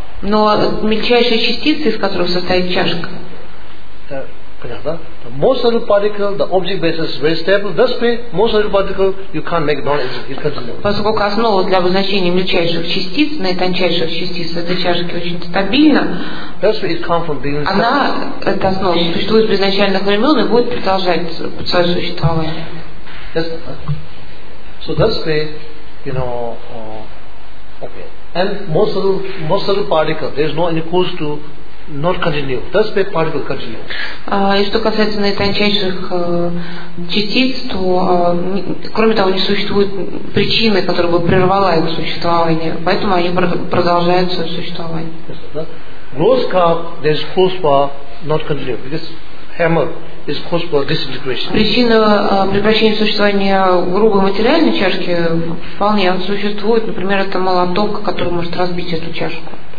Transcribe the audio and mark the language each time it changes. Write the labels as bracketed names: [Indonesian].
[Russian] Но мельчайшая частица, из которой состоит чашка, [English] the most little particle, the object basis is very stable. Thus, the most little particle you can't make non-existent. [Russian] Поскольку основа для обозначения мельчайших частиц, наитончайших частиц этой чашки очень стабильна, она, эта основа, существует с изначальных времен и будет продолжать свое существование. [English] So thus, you know, okay. And most little particle, there is no any cause to not continue. Thus, the particle continue. [Russian] И что касается наитончайших частиц, то кроме того, не существует причины, которая бы прервала их существование, поэтому они продолжают свое существование. [English] Gross cup, there is cause for not continue, because hammer is cause for disintegration. [Russian] Причина прекращения существования грубой материальной чашки вполне существует. Например, это молоток, который может разбить эту чашку.